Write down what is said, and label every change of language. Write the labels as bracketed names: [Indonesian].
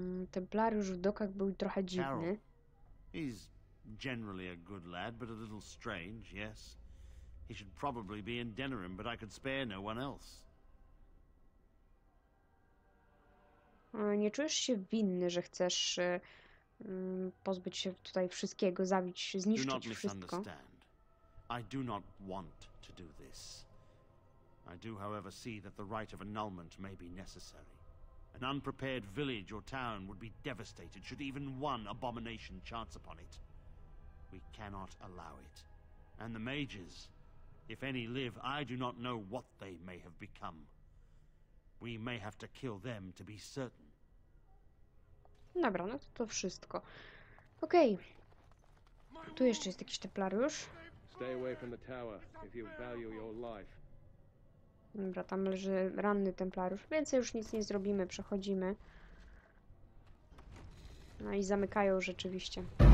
[Polish] Templariusz w dokach był trochę dziwny. [English] He's generally a good lad, but a little strange, yes. He should probably be in Denerim, but I could spare no one else. [Polish] Nie czujesz się winny, że chcesz pozbyć się tutaj wszystkiego, zabić, zniszczyć wszystko? [English] Do not misunderstand. I do not want to do this. I do, however, see that the right of annulment may be necessary. An unprepared village or town would be devastated should even one abomination chance upon it. We cannot allow it. And the mages, if any live, I do not know what they may have become. We may have to kill them to be certain. [Polish] Dobra, no to wszystko. Okej. Okay. Tu jeszcze jest jakiś Templariusz. [English] Stay away from the tower if you value your life. [Polish] Dobra, tam leży ranny Templariusz. Więcej już nic nie zrobimy, przechodzimy. No i zamykają rzeczywiście.